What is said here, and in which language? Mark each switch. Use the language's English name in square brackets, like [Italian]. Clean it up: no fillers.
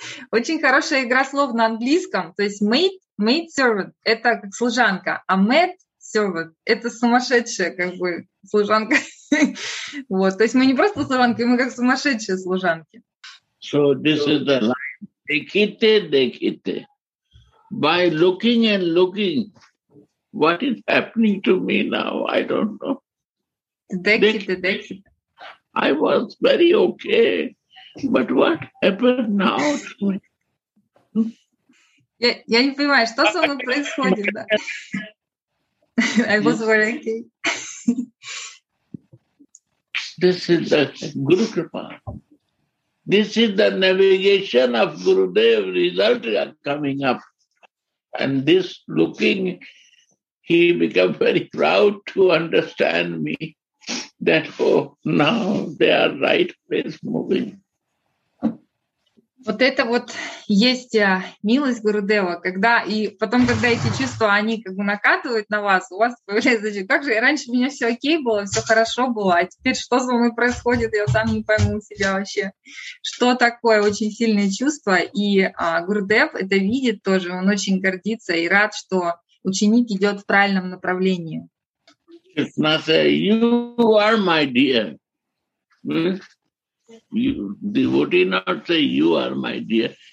[Russian] Очень хорошая игра слов на английском. То есть maid servant — это как служанка, а mad servant — это сумасшедшая как бы служанка. Вот. То есть мы не просто служанки, мы как сумасшедшие служанки. [English] So this is the line. [Bangla] Dekhite, dekhite. [English] By looking and looking, what is happening to me now? I don't know. [Bangla] Dekhite, dekhite. [English] I was very okay. But what happened now to me? [Russian] Я не понимаю, что со мной происходит, да? [English] I was very okay. This is the Guru Kripa. This is the navigation of Gurudev, result coming up. And this looking, he become very proud to understand me, that, oh, now they are right place moving. [Russian] Вот это вот есть милость Гурудева, когда и потом, когда эти чувства, они как бы накатывают на вас, у вас появляется, значит, как же, раньше у меня все окей было, все хорошо было, а теперь что со мной происходит, я сам не пойму себя вообще, что такое очень сильные чувства. И Гурудев это видит тоже, он очень гордится и рад, что ученик идет в правильном направлении. [English] You are my dear. You, devotee not say, you are my dear.